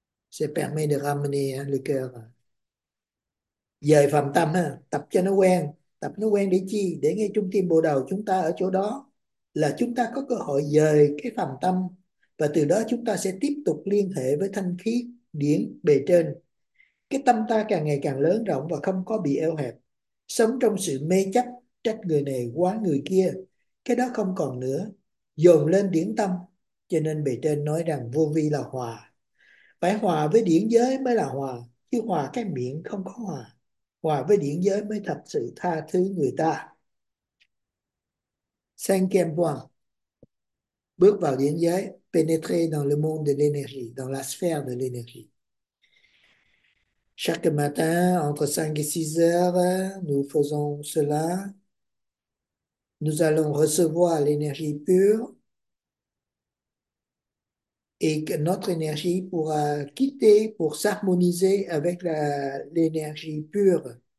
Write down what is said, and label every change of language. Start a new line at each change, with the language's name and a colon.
French: Ça permet de ramener hein, le cœur.
Vietnamese: Giờ phàm tâm ha, tập cho nó quen, tập nó quen để chi? Để ngay trung tâm bộ đầu chúng ta ở chỗ đó là chúng ta có cơ hội dời cái phàm tâm và từ đó chúng ta sẽ tiếp tục liên hệ với thanh khí điển bề trên. Cái tâm ta càng ngày càng lớn rộng và không có bị eo hẹp. Sống trong sự mê chấp, trách người này quá người kia, cái đó không còn nữa. Dồn lên điển tâm, cho nên bề trên nói rằng vô vi là hòa. Phải hòa với điển giới mới là hòa, chứ hòa cái miệng không có hòa. Hòa với điển giới mới thật sự tha thứ người ta.
French: Cinquième point.
Vietnamese: Bước vào điển giới,
French: pénétrer dans le monde de l'énergie, dans la sphère de l'énergie. Chaque matin, entre 5 et 6 heures, nous faisons cela. Nous allons recevoir l'énergie pure et que notre énergie pourra quitter pour s'harmoniser avec l'énergie pure.